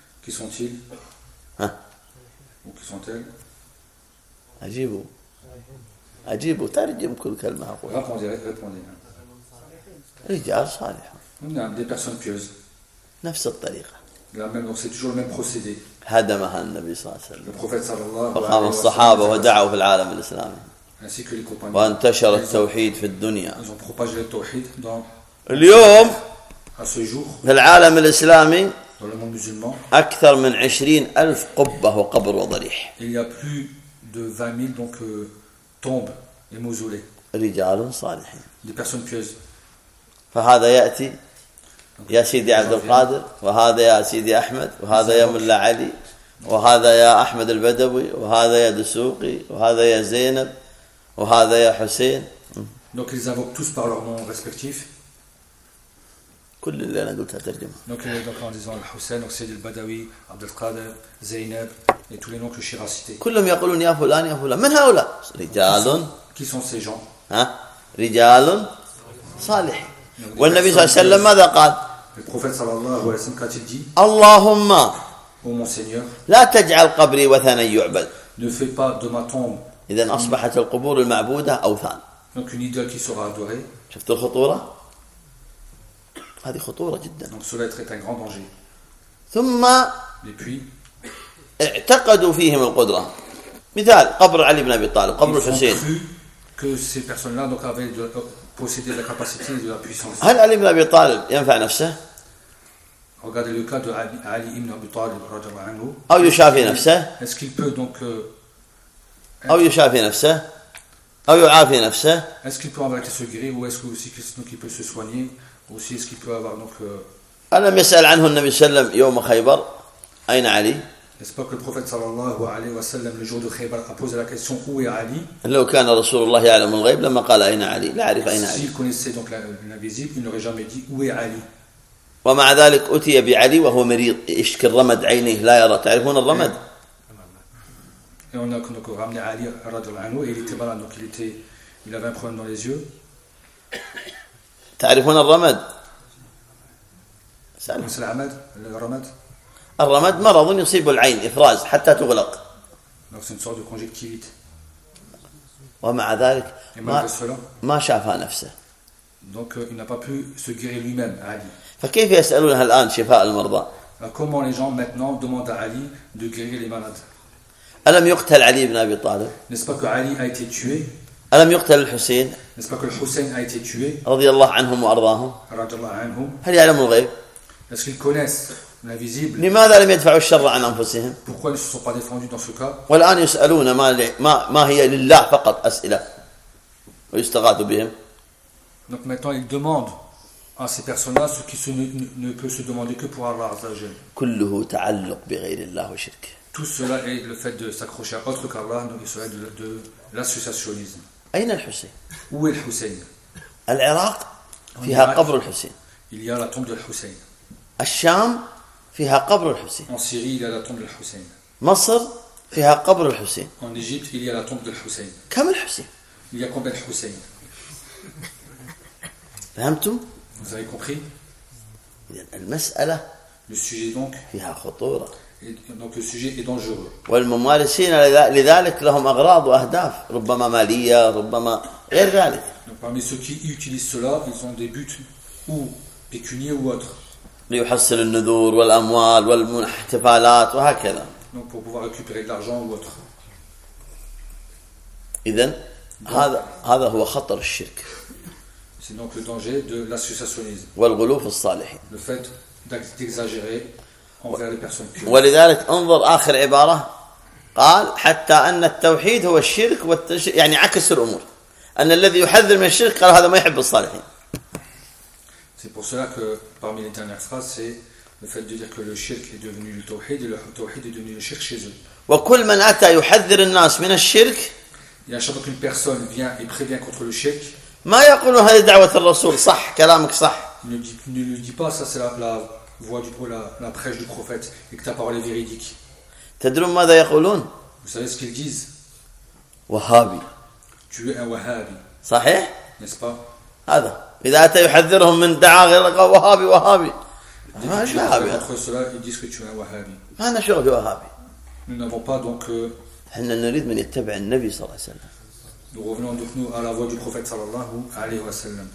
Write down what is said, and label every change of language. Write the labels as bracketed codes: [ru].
[fr] Qui sont-ils؟ [ar] ها. [fr] Ou qui sont-elles؟ [ar] أجيبوا. أجيبوا. ترجم كل كلمة أقول. [fr] Répondez. [ar] رجال صالح. نعم، [fr] des personnes pieuses. [ar] نفس الطريقة. [fr] La même, donc c'est toujours le même procédé. [ar] هدمها النبي صلى الله عليه وسلم. [fr] Le prophète [ar] صلى الله عليه وسلم. وقام الصحابة ودعوا في العالم الإسلامي. [fr] Ainsi que les compagnons. [ar] وانتشر التوحيد في الدنيا. [fr] Ils ont propagé le tawhid dans. [ar] اليوم. [fr] À ce jour. [ar] في العالم الإسلامي. [fr] Dans le monde musulman. [ar] أكثر من 20,000 قبة وقبر وضريح. [fr] Il y a plus de 20,000 donc tombes et mausolées. [ar] رجال صالحين. [fr] Des personnes pieuses. [ar] فهذا يأتي. يا سيدي عبد القادر وهذا يا سيدي أحمد وهذا يا ملا علي وهذا يا أحمد البدوي وهذا يا دسوقي وهذا يا زينب وهذا يا حسين. [fr] Donc ils invoquent tous par leur nom respectif. [ar] كل اللي أنا قلتها ترجمة. [fr] Donc en disant Hussein, donc Sidi al-Badawi, Abd al-Qadir, Zainab et tous les noms que j'ai récités. [ar] كلهم يقولون يا فلان يا فلان من هؤلاء؟ رجال. [fr] Qui sont ces gens؟ [ar] ها رجال صالح. والنبي صلى الله عليه وسلم ماذا قال؟ [fr] البروفيت [ar] صلى الله عليه وسلم قال اللهم [fr] او مونسيور [ar] لا تجعل قبري وثنا يعبد [fr] ne fait pas de ma tombe. [ar] إذن أصبحت القبور المعبودة أوثان. [fr] Donc une idole qui sera adorée. [ar] شفت الخطورة؟ هذه خطورة جدا. [fr] Donc cela est un grand danger. [ar] ثم. [fr] Et puis. [ar] اعتقدوا فيهم القدرة. مثال قبر علي بن أبي طالب قبر الحسين. [fr] Ils ont cru que ces personnes-là donc avaient possédé la capacité et la puissance. [ar] هل علي بن أبي طالب ينفع نفسه؟ [fr] Regardez le cas de Ali ibn Abi Talib [ar] radhiyallahu anhu. أو يشافي نفسه؟ [fr] Est-ce qu'il peut donc [ar] أو يشافي نفسه أو يعافي نفسه؟ [fr] Est-ce qu'il peut en vérité se guérir ou est-ce aussi qu'il peut se soigner ou aussi est-ce qu'il peut avoir donc [ar] ألم يسأل عنه النبي صلى الله عليه وسلم يوم خيبر أين علي؟ [fr] N'est-ce pas que le prophète [ar] صلى الله عليه وسلم [fr] le jour de Khaybar a posé la question où est Ali؟ [ar] لو كان رسول الله يعلم الغيب لما قال أين علي؟ لا أعرف أين علي. [fr] S'il connaissait donc l'invisible, il n'aurait jamais dit où est Ali. [ar] ومع ذلك أتي بعلي وهو مريض يشكي الرمد عينيه لا يرى تعرفون الرمد؟ [fr] Et on a donc ramené Ali [ar] radhiyallahu anhu [fr] et il était malade donc il avait un problème dans les yeux. [ar] تعرفون الرمد؟ سلام. مثل الرمد؟ الرمد؟ الرمد مرض يصيب العين إفراز حتى تغلق. [fr] Donc c'est une sorte de conjonctivite. [ar] ومع ذلك ما شافها نفسه. [fr] Donc il n'a pas pu se guérir lui-même Ali. [ar] فكيف يسألونها الآن شفاء المرضى؟ [fr] Comment les gens maintenant demandent à Ali de guérir les malades؟ [ar] ألم يقتل علي بن أبي طالب؟ [fr] N'est-ce pas que Ali a été tué؟ [ar] ألم يقتل الحسين؟ [fr] N'est-ce pas que le Hussein a été tué؟ [ar] رضي الله عنهم وأرضاهم. رضي الله عنهم. هل يعلم الغيب؟ [fr] Est-ce qu'ils connaissent l'invisible؟ [ar] لماذا لم يدفعوا الشر عن أنفسهم؟ [fr] Pourquoi ils ne se sont pas défendus dans ce cas؟ [ar] والآن يسألون ما هي لله فقط أسئلة ويستغاث بهم. [fr] Donc maintenant ils demandent à ces personnes-là ce qui ne peut se demander que pour Allah [ar] Azza wa Jalla. كله تعلق بغير الله وشرك. [fr] Tout cela est le fait de s'accrocher à autre qu'Allah, donc il serait de l'associationnisme. [ar] أين الحسين؟ [fr] Où est le Hussein؟ [ar] العراق فيها قبر الحسين. [fr] Il y a la tombe de Hussein. [ar] الشام فيها قبر الحسين. [fr] En Syrie, il y a la tombe de Hussein. [ar] مصر فيها قبر الحسين. [fr] En Égypte, il y a la tombe de Hussein. [ar] كم الحسين؟ [fr] Il y a combien de Hussein؟ [ar] فهمتم؟ [fr] Vous avez compris؟ [ar] إذن المسألة. [fr] Le sujet donc. [ar] فيها خطورة. [fr] Donc le sujet est dangereux. [ar] والممارسين لذلك لهم أغراض وأهداف ربما مالية ربما غير ذلك. [fr] Donc parmi ceux qui utilisent cela, ils ont des buts ou pécuniers ou autres. [ar] ليحصل النذور والأموال والاحتفالات وهكذا. [fr] Donc pour pouvoir récupérer de l'argent ou autre. [ar] إذن هذا هو خطر الشرك. [fr] C'est donc le danger de l'associationnisme. [ar] والغلو في الصالحين. [fr] Le fait d'exagérer. [ar] ولذلك انظر آخر عبارة قال حتى أن التوحيد هو الشرك يعني عكس الأمور أن الذي يحذر من الشرك قال هذا ما يحب الصالحين. [fr] C'est pour cela que parmi les dernières phrases c'est le fait de dire que le shirk est devenu le tawhid et le tawhid est devenu le shirk chez eux. [ar] وكل من أتى يحذر الناس من الشرك. [fr] Et à chaque fois qu'une personne vient et prévient contre le shirk. [ar] ما يقول هذه دعوة الرسول صح كلامك صح. [fr] Ne lui dit pas ça c'est la voix du coup la prêche du prophète et que ta parole est véridique. [ar] تدرون ماذا يقولون؟ [fr] Vous savez ce qu'ils disent؟ [ar] وهابي. [fr] Tu es un wahhabi. [ar] صحيح؟ [fr] N'est-ce pas؟ [ar] هذا إذا أتى يحذرهم من دعاء غير وهابي وهابي. [fr] وهابي. Contre cela, ils disent que tu es un wahhabi. [ar] ما أنا شغل وهابي. [fr] Nous n'avons pas donc. [ar] إحنا نريد من يتبع النبي صلى الله عليه وسلم. [fr] Nous revenons donc nous à la voix du prophète [ar] صلى الله عليه وسلم.